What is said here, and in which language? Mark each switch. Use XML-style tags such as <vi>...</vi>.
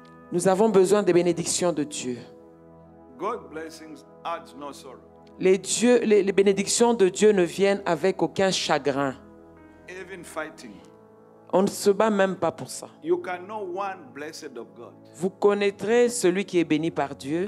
<fr>Nous avons besoin des bénédictions de Dieu.</fr> <en>God blessings adds no sorrow.</en> <fr>Les bénédictions de Dieu ne viennent avec aucun chagrin.</fr> <en>Even fighting.</en> <fr>On ne se bat même pas pour ça.</fr> <en>You can know one blessed of God.</en> <fr>Vous connaîtrez celui qui est béni par Dieu</fr>